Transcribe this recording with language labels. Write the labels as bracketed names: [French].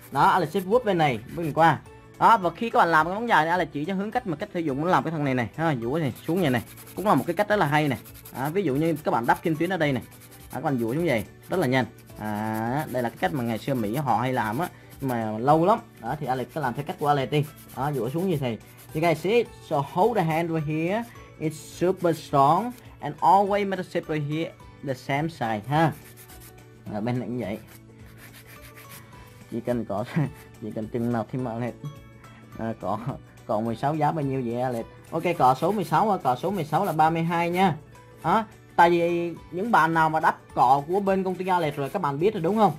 [Vietnamese] Đó, Alex sẽ vuốt bên này mình qua. À, và khi các bạn làm cái móng dài này, là chỉ cho hướng cách mà cách sử dụng, làm cái thằng này này ha, dũa này xuống vậy này, cũng là một cái cách rất là hay này. À, ví dụ như các bạn đắp kim tuyến ở đây này, các bạn dũa xuống vậy rất là nhanh. À, đây là cái cách mà ngày xưa Mỹ họ hay làm á, mà lâu lắm đó. À, thì Alex cứ làm theo cách của Alex đi. À, dũa xuống như thế. [English] You guys see, so hold the hand right here, it's super strong and always make the shape right here the same size ha. [Vietnamese] À, bên này cũng vậy, chỉ cần có chỉ cần chừng nào thì mà Alex. À, cọ 16 giá bao nhiêu vậy Alex? Ok, cọ số 16 và cọ số 16 là 32 nha. À, tại vì những bạn nào mà đắp cọ của bên công ty Alex rồi, các bạn biết rồi đúng không?